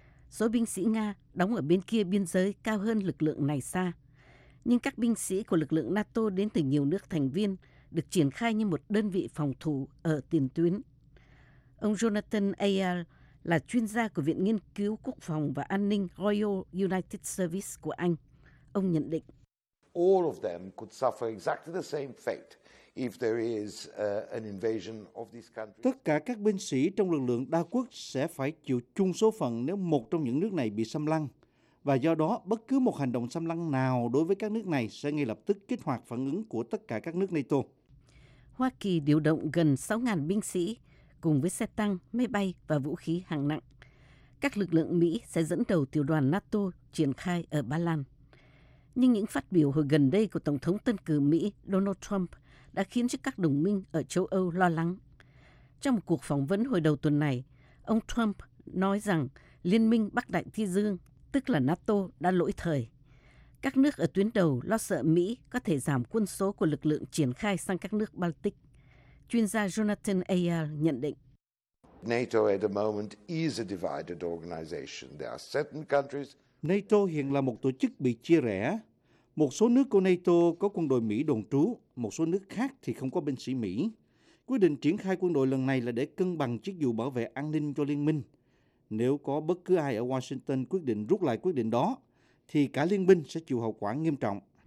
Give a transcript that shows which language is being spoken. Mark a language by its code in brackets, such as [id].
[vi] Số binh sĩ Nga đóng ở bên kia biên giới cao hơn lực lượng này xa. Nhưng các binh sĩ của lực lượng NATO đến từ nhiều nước thành viên được triển khai như một đơn vị phòng thủ ở tiền tuyến. Ông Jonathan Ayer là chuyên gia của Viện Nghiên cứu Quốc phòng và An ninh Royal United Service của Anh. Ông nhận định. [en] All of them could suffer exactly the same fate if there is an invasion of this country. [vi] Tất cả các binh sĩ trong lực lượng đa quốc sẽ phải chịu chung số phận nếu một trong những nước này bị xâm lăng. Và do đó, bất cứ một hành động xâm lăng nào đối với các nước này sẽ ngay lập tức kích hoạt phản ứng của tất cả các nước NATO. Hoa Kỳ điều động gần 6.000 binh sĩ, cùng với xe tăng, máy bay và vũ khí hạng nặng. Các lực lượng Mỹ sẽ dẫn đầu tiểu đoàn NATO triển khai ở Ba Lan. Nhưng những phát biểu hồi gần đây của Tổng thống tân cử Mỹ Donald Trump đã khiến cho các đồng minh ở châu Âu lo lắng. Trong một cuộc phỏng vấn hồi đầu tuần này, ông Trump nói rằng Liên minh Bắc Đại Tây Dương, tức là NATO, đã lỗi thời. Các nước ở tuyến đầu lo sợ Mỹ có thể giảm quân số của lực lượng triển khai sang các nước Baltic. Chuyên gia Jonathan Ayer nhận định. [en] NATO at the moment is a divided organization. There are certain countries. [vi] NATO hiện là một tổ chức bị chia rẽ. Một số nước của NATO có quân đội Mỹ đồn trú, một số nước khác thì không có binh sĩ Mỹ. Quyết định triển khai quân đội lần này là để cân bằng chức vụ bảo vệ an ninh cho liên minh. Nếu có bất cứ ai ở Washington quyết định rút lại quyết định đó, thì cả liên minh sẽ chịu hậu quả nghiêm trọng.